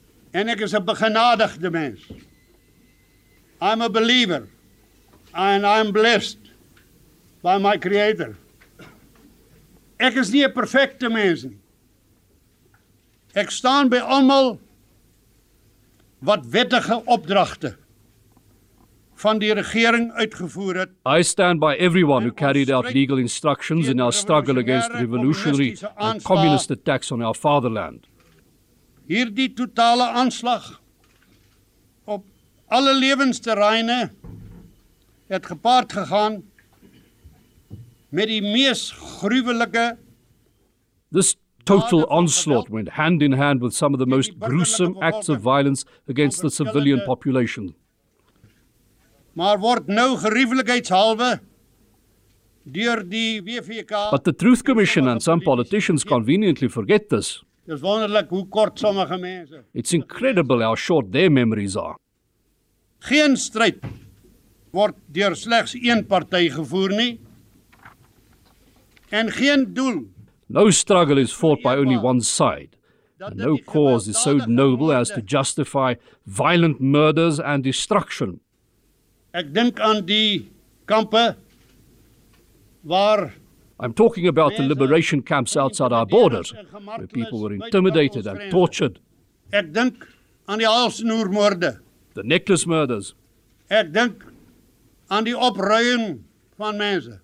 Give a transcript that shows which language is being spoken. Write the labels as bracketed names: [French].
[Afrikaans] En ek is 'n begenadigde mens. [English] I'm a believer and I'm blessed by my Creator. [Afrikaans] Ek is nie 'n perfekte mens nie. Ek staan by almal wat wettige opdragte van die regering uitgevoer het. [English] I stand by everyone who carried out legal instructions in our struggle against revolutionary and communist attacks on our fatherland. [Afrikaans] Hierdie totale aanslag op alle lewensterreine het gepaard gegaan met die mees gruwelike. [English] This total onslaught went hand in hand with some of the most gruesome acts of violence against the civilian population. [Afrikaans] Maar word nou gerieflikheidshalwe deur die WVK. [English] But the Truth Commission and some politicians conveniently forget this. [Afrikaans] Dis wonderlik hoe kort sommige mense. [English] It's incredible how short their memories are. [Afrikaans] Geen stryd word deur slegs een party gevoer nie. En geen doel. [English] No struggle is fought by only one side. And no cause is so noble as to justify violent murders and destruction. [Afrikaans] Ek dink aan die kampe waar [English] I'm talking about the liberation camps outside our borders, where people were intimidated and tortured. [Afrikaans] Ek dink aan die halsnoermoorde. [English] The necklace murders. [Afrikaans] Ek dink aan die opruiing van mense.